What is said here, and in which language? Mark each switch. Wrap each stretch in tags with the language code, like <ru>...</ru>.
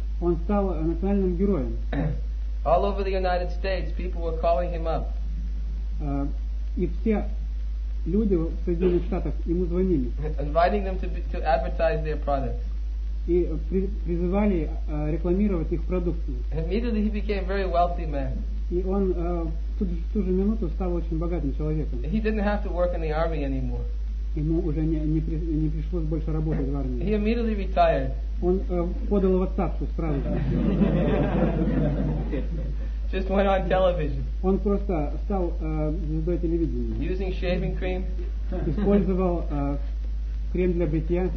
<ru>Он стал национальным героем.</ru> <en>All over the United States, people were calling him up.</en> <ru>И все люди в Соединенных Штатах ему звонили.</ru> <en>Inviting them to advertise their products.</en> <ru>И призывали рекламировать их продукты.</ru> <en>Immediately he became a very wealthy man.</en> <ru>И он в ту же минуту стал очень богатым человеком.</ru> <en>He didn't have to work in the army anymore.</en> <ru>Ему уже не пришлось больше работать в армии.</ru> <en>He immediately retired.</en> <ru>Он подал в отставку сразу.</ru> <en>Just went on television.</en> <ru>Он просто стал звездой телевидения.</ru> <en>Using shaving cream.</en> <ru>Использовал крем для бритья.</ru>